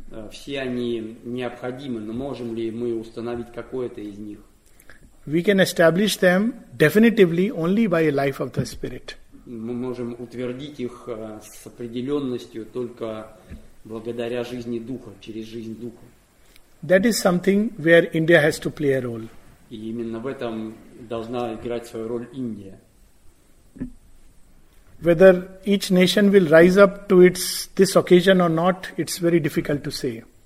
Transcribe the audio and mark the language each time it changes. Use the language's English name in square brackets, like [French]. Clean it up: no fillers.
[Russian] Все они необходимы, но можем ли мы установить какое-то из них? [English] We can establish them definitively only by a life of the spirit. [Russian] Мы можем утвердить их с определенностью только благодаря жизни духа, через жизнь духа. [English] That is something where India has to play a role. [Russian] И именно в этом должна играть свою роль Индия. [English] Whether each nation will rise up to its this occasion or not, it's very difficult to say.